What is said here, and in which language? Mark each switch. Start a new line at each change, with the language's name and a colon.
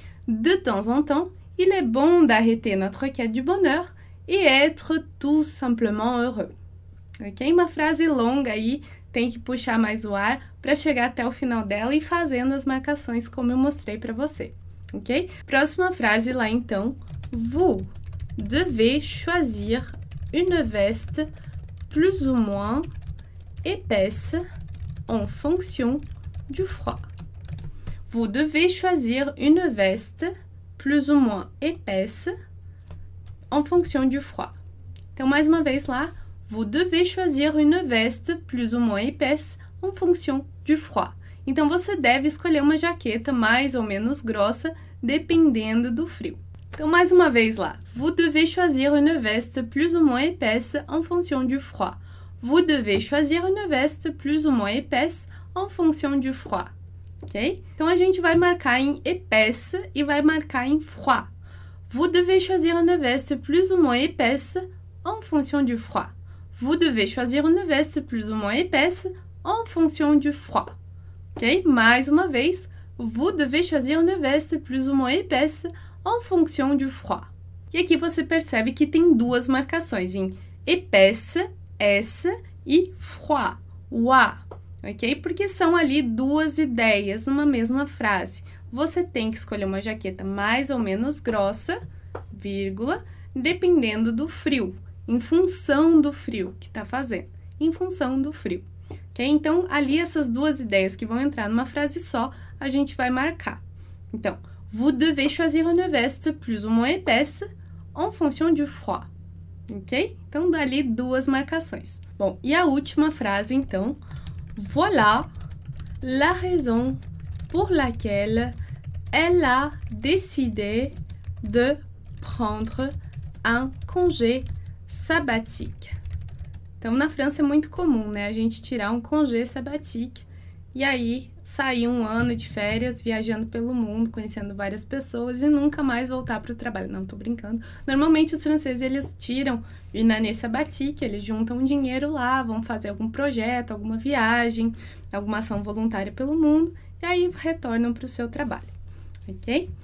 French: De temps en temps, il est bon d'arrêter notre quête du bonheur et être tout simplement heureux. Ok?
Portuguese: Uma frase longa aí, tem que puxar mais o ar para chegar até o final dela e fazendo as marcações como eu mostrei para você. Ok? Próxima frase lá então.
French: Vous devez choisir une veste plus ou moins épaisse en fonction du froid. Vous devez choisir une veste plus ou moins épaisse en fonction du froid.
Portuguese: Então, mais uma vez lá,
French: vous devez choisir une veste plus ou moins épaisse en fonction du froid.
Portuguese: Então, você deve escolher uma jaqueta mais ou menos grossa, dependendo do frio.
French: Então, mais uma vez lá, vous devez choisir une veste plus ou moins épaisse en fonction du froid. Vous devez choisir une veste plus ou moins épaisse en fonction du froid. Ok?
Portuguese: Então, a gente vai marcar em épaisse e vai marcar em froid.
French: Vous devez choisir une veste plus ou moins épaisse en fonction du froid. Vous devez choisir une veste plus ou moins épaisse en fonction du froid. Ok?
Portuguese: Mais uma vez,
French: vous devez choisir une veste plus ou moins épaisse en fonction du froid.
Portuguese: E aqui você percebe que tem duas marcações em épaisse, S, e froid, o A. Ok? Porque são ali duas ideias numa mesma frase. Você tem que escolher uma jaqueta mais ou menos grossa, vírgula, dependendo do frio, em função do frio que está fazendo, em função do frio. Okay? Então, ali essas duas ideias que vão entrar numa frase só, a gente vai marcar. Então,
French: vous devez choisir une veste plus ou moins épaisse en fonction du froid. Ok?
Portuguese: Então, dali duas marcações. Bom, e a última frase, então,
French: voilà la raison pour laquelle elle a décidé de prendre un congé sabbatique.
Portuguese: Então, na França é muito comum, né? A gente tirar um congé sabbatique e aí sair um ano de férias viajando pelo mundo, conhecendo várias pessoas e nunca mais voltar para o trabalho. Não, tô brincando. Normalmente, os franceses, eles tiram
French: une année sabbatique,
Portuguese: eles juntam um dinheiro lá, vão fazer algum projeto, alguma viagem, alguma ação voluntária pelo mundo e aí retornam para o seu trabalho, ok?